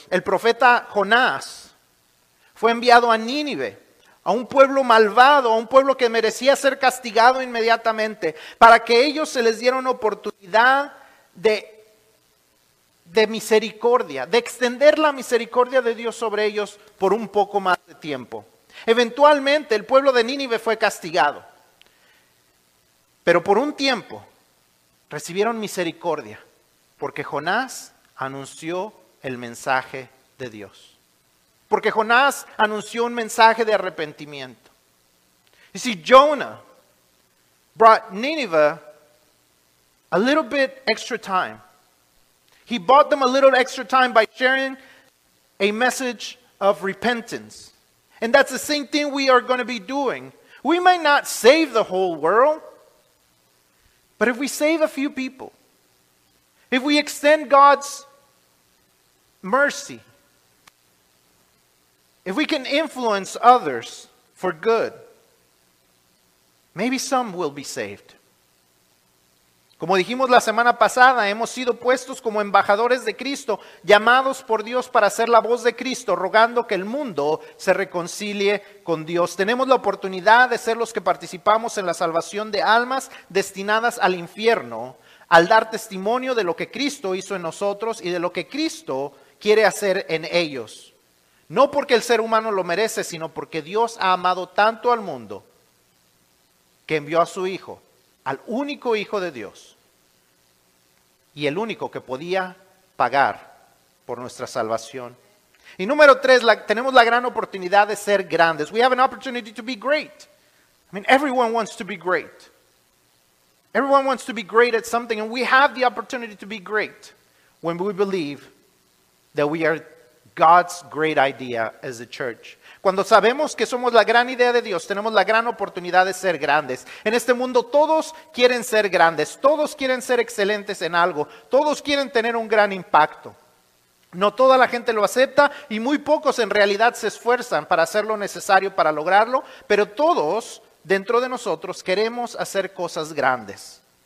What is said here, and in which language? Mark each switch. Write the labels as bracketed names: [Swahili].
[Spanish] El profeta Jonás fue enviado a Nínive, a un pueblo malvado, a un pueblo que merecía ser castigado inmediatamente, para que ellos se les diera una oportunidad de misericordia, de extender la misericordia de Dios sobre ellos por un poco más de tiempo. Eventualmente el pueblo de Nínive fue castigado, pero por un tiempo recibieron misericordia, porque Jonás anunció el mensaje de Dios. Porque Jonás anunció un mensaje de arrepentimiento. [English] You see, Jonah brought Nineveh a little bit extra time. He bought them a little extra time by sharing a message of repentance. And that's the same thing we are going to be doing. We might not save the whole world, but if we save a few people, if we extend God's mercy, if we can influence others for good, maybe some will be saved. [Spanish] Como dijimos la semana pasada, hemos sido puestos como embajadores de Cristo, llamados por Dios para ser la voz de Cristo, rogando que el mundo se reconcilie con Dios. Tenemos la oportunidad de ser los que participamos en la salvación de almas destinadas al infierno, al dar testimonio de lo que Cristo hizo en nosotros y de lo que Cristo quiere hacer en ellos. No porque el ser humano lo merece, sino porque Dios ha amado tanto al mundo que envió a su Hijo, al único Hijo de Dios y el único que podía pagar por nuestra salvación. Y número tres, tenemos la gran oportunidad de ser grandes. [English] We have an opportunity to be great. I mean, everyone wants to be great. Everyone wants to be great at something, and we have the opportunity to be great when we believe that we are God's great idea as a church. [Spanish] Cuando sabemos que somos la gran idea de Dios, tenemos la gran oportunidad de ser grandes. En este mundo todos quieren ser grandes, todos quieren ser excelentes en algo, todos quieren tener un gran impacto. No toda la gente lo acepta y muy pocos en realidad se esfuerzan para hacer lo necesario para lograrlo, pero todos dentro de nosotros queremos hacer cosas grandes.